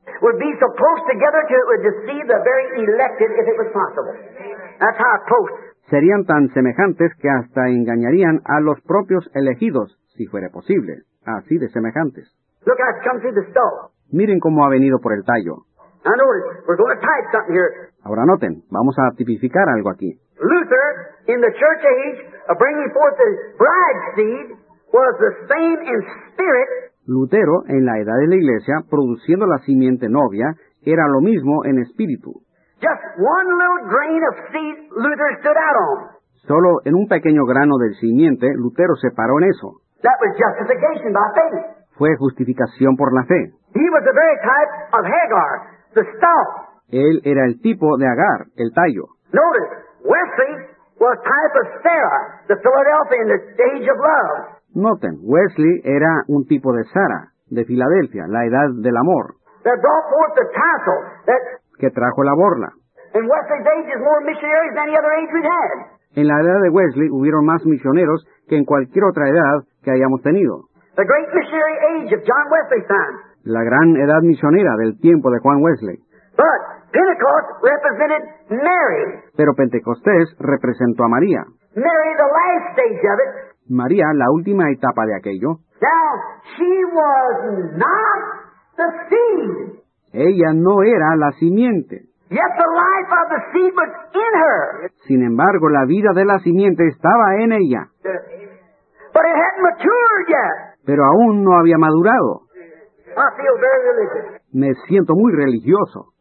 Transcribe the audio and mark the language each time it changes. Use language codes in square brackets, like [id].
[en] Would be so close together to it would deceive the very elected if it was possible. That's how close. [es] Serían tan semejantes que hasta engañarían a los propios elegidos, si fuera posible. Así de semejantes. [en] Look, I've come through the stall. [es] Miren cómo ha venido por el tallo. [en] Now notice, we're going to type something here. [es] Ahora noten, vamos a tipificar algo aquí. [en] Luther, in the church age, bringing forth the bride seed, was the same in spirit. [es] Lutero, en la edad de la iglesia, produciendo la simiente novia, era lo mismo en espíritu. [en] Just one little grain of seed Luther stood out on. [es] Solo en un pequeño grano de simiente, Lutero se paró en eso. [en] That was justification by faith. [es] Fue justificación por la fe. [en] He was the very type of Hagar, the stalk. [es] Él era el tipo de Agar, el tallo. [en] Notice, Wesley was type of Sarah, the Philadelphia in the stage of love. [es] Noten, Wesley era un tipo de Sarah, de Filadelfia, la edad del amor. [en] That brought forth the tassel that... [es] que trajo la borla. [en] And Wesley's age is more missionaries than any other age we've had. [es] En la edad de Wesley hubieron más misioneros que en cualquier otra edad que hayamos tenido. [en] The great missionary age of John Wesley's time. [es] La gran edad misionera del tiempo de Juan Wesley. [en] But Pentecost represented Mary. [es] Pero Pentecostés representó a María. [en] Mary, the last stage of it. [es] María, la última etapa de aquello. [en] Now, she was not the seed. [es] Ella no era la simiente. [en] Yet the life of the seed was in her. [es] Sin embargo, la vida de la simiente estaba en ella. [en] But it hadn't matured yet. [es] Pero aún no había madurado. [en] I feel very religious. [es] Me siento muy religioso.